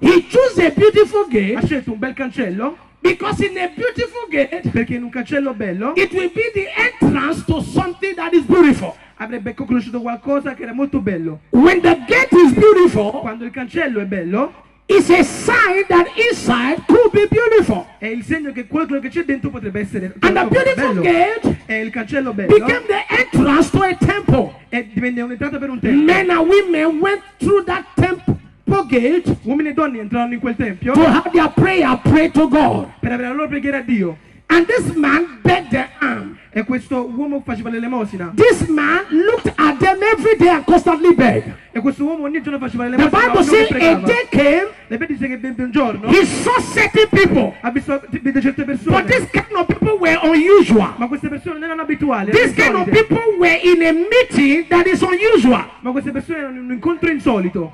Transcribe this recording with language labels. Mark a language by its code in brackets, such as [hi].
[en] He chose a beautiful gate because in a beautiful gate it will be the entrance to something that is beautiful. [it] Avrebbe conosciuto qualcosa che era molto bello. [en] When the gate is beautiful, [it] quando il cancello è bello, [en] it's a sign that inside could be beautiful. [it] È il segno che quello che c'è dentro potrebbe essere. [en] And the beautiful gate, [it] il cancello bello, [en] became the entrance to a temple. [it] E divenne un'entrata per un tempio. [en] Men and women went through that temple. Gate, [it] uomini e donne entrarono in quel tempio. [en] To have their prayer prayed to God. [it] Per avere la loro preghiera a Dio. [en] And this man bent their arm. [it] E questo uomo faceva l'elemosina. [en] This man looked at them every day and constantly begged. [it] E questo uomo ogni giorno faceva l'elemosina. [en] The Bible says, "A day came." [it] Le Bibbie un giorno. [en] He saw certain people. [it] Ha visto certe persone. [en] But this kind of people were unusual. [it] Ma queste persone non erano abituali. [en] This kind of people were in a meeting that is unusual. [it] Ma queste persone erano in un incontro insolito.